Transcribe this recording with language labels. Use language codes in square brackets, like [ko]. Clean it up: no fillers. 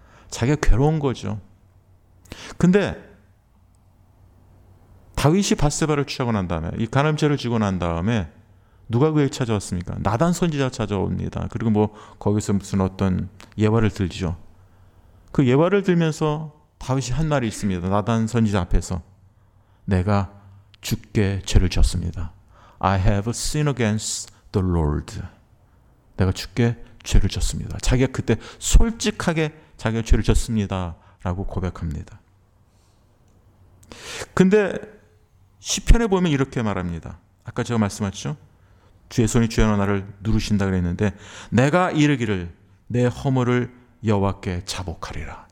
[ko] 자기가 괴로운 거죠. 근데 다윗이 바세바를 취하고 난 다음에, 이 간음죄를 지고 난 다음에 누가 그에게 찾아왔습니까? 나단 선지자 찾아옵니다. 그리고 뭐 거기서 무슨 어떤 예화를 들죠. 그 예화를 들면서 다윗이 한 말이 있습니다. 나단 선지자 앞에서 내가 주께 죄를 지었습니다. [en] I have sinned against the Lord. [ko] 내가 주께 죄를 지었습니다. 자기가 그때 솔직하게 자기가 죄를 지었습니다 라고 고백합니다. 근데 시편에 보면 이렇게 말합니다. 아까 제가 말씀하셨죠? 주의 손이 주의 나를 누르신다 그랬는데 내가 이르기를 내 허물을 여호와께 자복하리라.